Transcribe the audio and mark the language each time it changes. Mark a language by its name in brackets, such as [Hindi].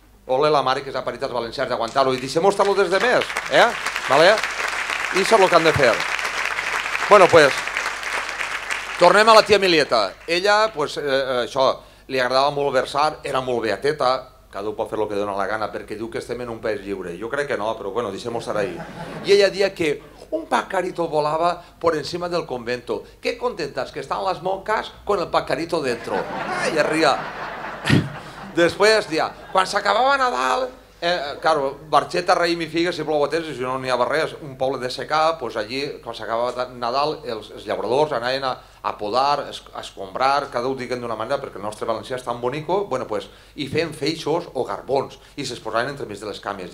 [Catalan] Ole la mare que s'ha parit als valencians d'aguantar-ho i deixem-ho estar-lo des de més, eh? Vale? I això és el que han de fer. Bueno, pues, tornem a la tia Milieta. Ella, pues, això, li agradava molt versar, era molt beateta, cada un pot fer el que dona la gana perquè diu que estem en un país lliure. Jo crec que no, però bueno, deixem-ho estar ahí. I ella dia que [Spanish] un pacarito volava por encima del convento. Que contentes que estan les monques con el pacarito dentro. [Catalan] Ai, es ria. Després, dia, quan s'acabava Nadal, claro, Barxeta, raïm i figues i plou a temps, i si no n'hi ha res, un poble de secà, pues allí, quan s'acabava Nadal, els llauradors anaven a podar, a escombrar, cada un diguen d'una manera, perquè el nostre valencià és tan bonico, bueno, pues, i feien feixos o garbons, i s'esposaven entre més de les cames.